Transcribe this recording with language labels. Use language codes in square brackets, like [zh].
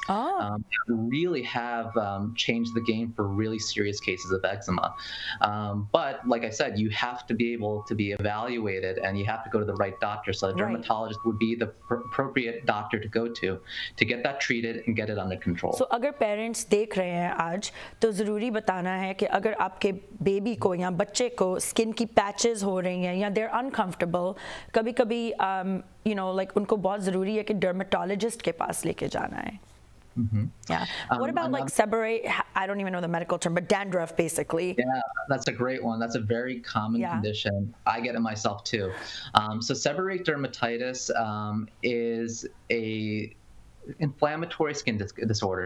[en] Oh. That really have changed the game for really serious cases of eczema. But like I said, you have to be able to be evaluated, and you have to go to the right doctor. So a dermatologist would be the appropriate doctor to go to get that treated and get it under control. [hi] सो अगर parents देख रहे हैं आज तो ज़रूरी बताना है कि अगर आपके बेबी को या बच्चे को स्किन की पैचेस हो रही हैं या [en] they're uncomfortable [hi] कभी कभी [en] you know like [hi] उनको बहुत ज़रूरी है कि डर्मेटोलॉजिस्ट के पास लेके जाना है. [en] Mm-hmm. Yeah. What about like seborrheic, I don't even know the medical term, but dandruff basically. Yeah, that's a great one. That's a very common yeah. condition. I get it myself too. So seborrheic dermatitis is a inflammatory skin disorder.